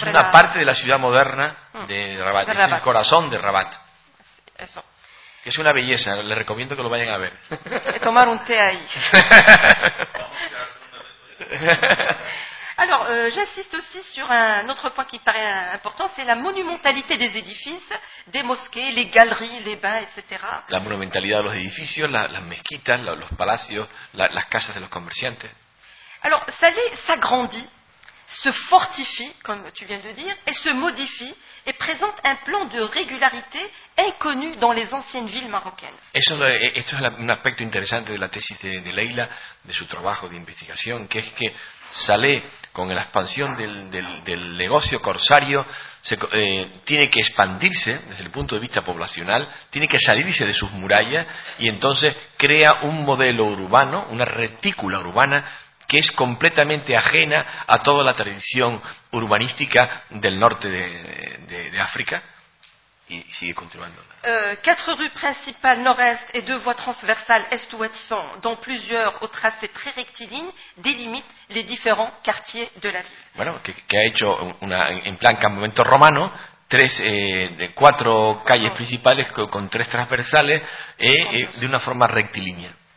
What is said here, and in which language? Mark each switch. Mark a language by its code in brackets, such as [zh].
[es] Parte de la ciudad moderna de Rabat, es el corazón de Rabat. Eso. Es una belleza, les recomiendo que lo vayan a ver. Tomar un té ahí. [fr] Alors, j'insiste aussi sur un autre point qui paraît important, c'est la monumentalité des édifices, des mosquées, les galeries, les bains, etc. [es] La monumentalidad de los edificios, las mezquitas, los palacios, las casas de los comerciantes. [fr] Alors, Salé s'agrandit, se fortifie, comme tu viens de dire, et se modifie, et présente un plan de régularité inconnu dans les anciennes villes marocaines. [es] Eso es un aspecto interesante de la tesis de Leila, de su trabajo de investigación, que es que Salé, con la expansión del negocio corsario, tiene que expandirse desde el punto de vista poblacional, tiene que salirse de sus murallas, y entonces crea un modelo urbano, una retícula urbana, que es completamente ajena a toda la tradición urbanística del norte de África. Y sigue continuando. [fr] Quatre rues principales nord-est et deux voies transversales est-ouest sont, dont plusieurs au tracé très rectiligne, délimitent les différents quartiers de la ville. [es] Bueno, que ha hecho en plan campamento romano, cuatro calles principales con tres transversales de una forma rectilínea.